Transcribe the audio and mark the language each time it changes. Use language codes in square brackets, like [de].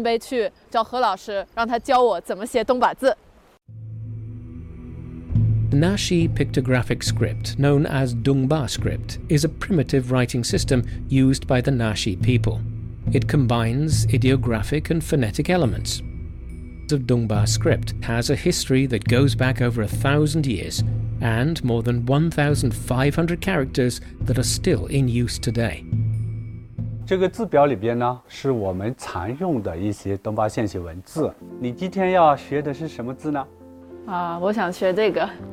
[zh] 我能看出来你背后的这个工作量好大呀，就是为了传承下去这个艺术，你付出的特别多，能看出来你对它是真爱。希望这个技术能一直坚持下去，东巴纸，有魅力的东巴纸。我体验了东巴造纸的过程，我还有了自己的东巴纸。现在我准备去找何老师，让他教我怎么写东巴字。 [en] The Naxi pictographic script, known as Dongba script, is a primitive writing system used by the Naxi people. It combines ideographic and phonetic elements. The Dongba script has a history that goes back over 1,000 years and more than 1,500 characters that are still in use today. [zh] 这个字表里边呢，是我们常用的一些东巴线写文字。你今天要学的是什么字呢？啊，我想学这个。